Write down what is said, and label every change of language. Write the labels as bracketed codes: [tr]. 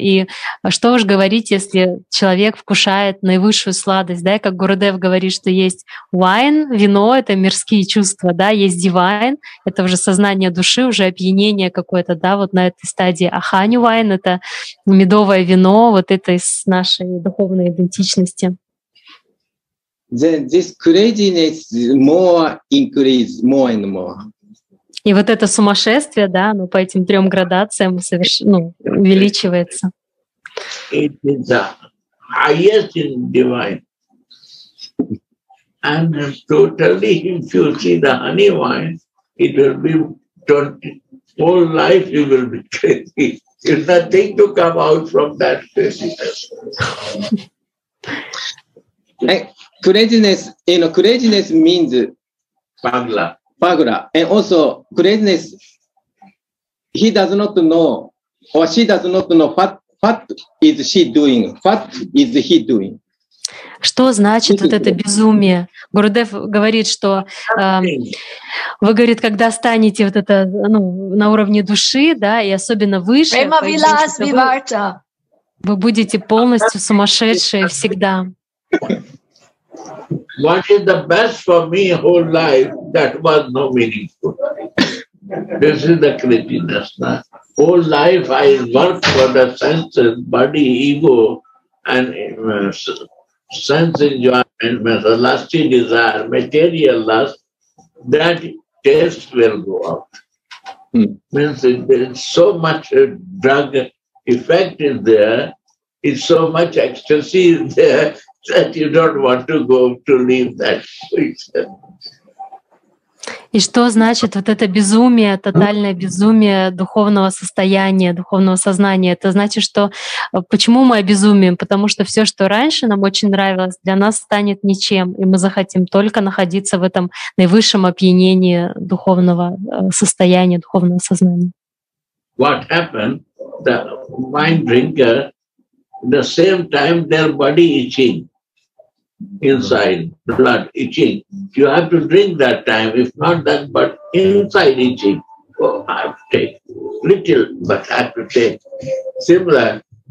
[ru] И что уж говорить, если человек вкушает наивысшую сладость, да, и как Гурудев говорит, что есть wine, вино, это мирские чувства, да, есть divine, это уже сознание души, уже опьянение какое-то, да, вот на этой стадии. А honey wine — это медовое вино, вот это из нашей духовной идентичности. [en] Then this craziness more increase more and more. [ru] И вот это сумасшествие, да, оно по этим трем градациям увеличивается. [en] It is the highest in divine. And totally, if you see the honey wine, it will be whole life you will be crazy. It's nothing to come out from that craziness. Craziness, you know, craziness means [hi] pagla. Pagla. [en] And also craziness, he does not know, or she does not know what is she doing, what is he doing. [ru] Что значит вот это безумие? Гурудев говорит, что вы, говорит, когда станете вот это, ну, на уровне души, да, и особенно выше, вы будете полностью сумасшедшие всегда. [en] What is the best for me whole life? That was no meaningful. This is the craziness. Na? Whole life I work for the senses, body, ego, and sense enjoyment, the lusty desire, material lust, that taste will go out. Means there's so much drug effect is there, it's so much ecstasy is there, that you don't want to go to leave that place. [ru] И что значит вот это безумие, тотальное безумие духовного состояния, духовного сознания? Это значит, что почему мы обезумеем? Потому что все, что раньше нам очень нравилось, для нас станет ничем, и мы захотим только находиться в этом наивысшем опьянении духовного состояния, духовного сознания. [en] What happened? The wine drinker, the same time their body itching. Inside blood itching. You have to drink that time. If not that, but inside itching. Oh, I have to take little, but I have to take. Similar.